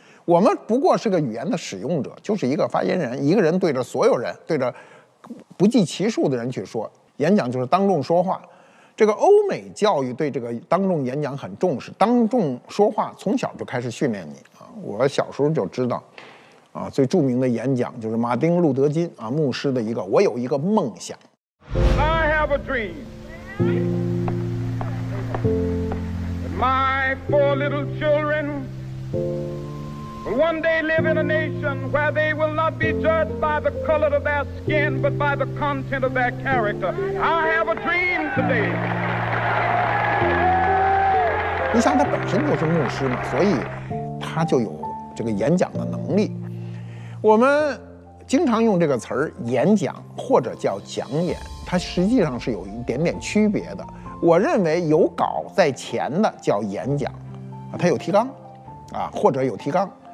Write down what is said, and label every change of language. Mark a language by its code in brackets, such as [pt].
[zh] 我们不过是个语言的使用者，就是一个发言人，一个人对着所有人，对着不计其数的人去说。演讲就是当众说话，这个欧美教育对这个当众演讲很重视，当众说话从小就开始训练你啊。我小时候就知道啊，最著名的演讲就是马丁·路德·金啊牧师的一个我有一个梦想。 [en] I have a dream My four little childrenOne day live in a nation where they will not be judged by the color of their skin, but by the content of their character. I have a dream today. [zh] 你想，他本身就是牧师嘛，所以他就有这个演讲的能力。我们经常用这个词儿，演讲或者叫讲演，它实际上是有一点点区别的。我认为有稿在前的叫演讲，它有提纲，啊，或者有提纲。